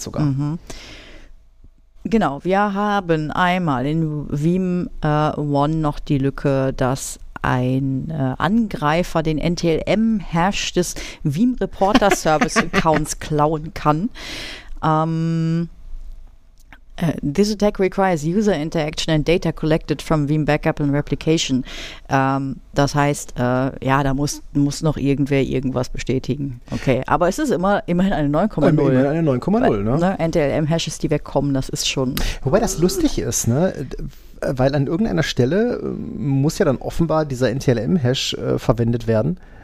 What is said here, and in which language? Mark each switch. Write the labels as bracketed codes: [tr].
[de] sogar. Genau, wir haben einmal in Veeam One noch die Lücke, dass ein Angreifer den NTLM-Hash des Veeam Reporter Service Accounts klauen kann. [en] This attack requires user interaction and data collected from Veeam Backup and Replication. [de] Das heißt, da muss noch irgendwer irgendwas bestätigen. Okay, aber es ist immerhin eine 9,0. Immerhin eine 9,0, ne? NTLM-Hashes, die wegkommen, das ist schon. Wobei das lustig ist, ne? Weil an irgendeiner Stelle muss ja dann offenbar dieser NTLM-Hash verwendet werden.